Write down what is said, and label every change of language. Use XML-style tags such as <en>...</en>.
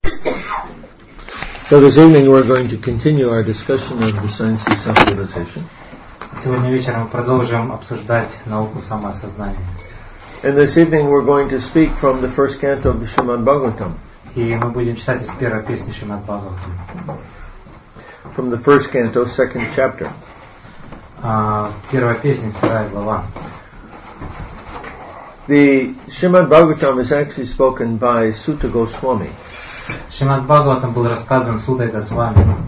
<en>So this evening we're going to continue our discussion of the science of self-realization.</en> <ru>Сегодня вечером мы продолжим обсуждать науку самоосознания.</ru> <en>And this evening we're going to speak from the first canto of the Shrimad Bhagavatam.</en> <ru>И мы будем читать из первой песни Шримад Бхагаватам.</ru> <en>From the first canto, second chapter.</en> <ru>Первая песня, вторая глава.</ru> <en>The Shrimad Bhagavatam is actually spoken by Suta Goswami.</en> <ru>Шримад Бхагаватам был рассказан Сутой Госвами.</ru>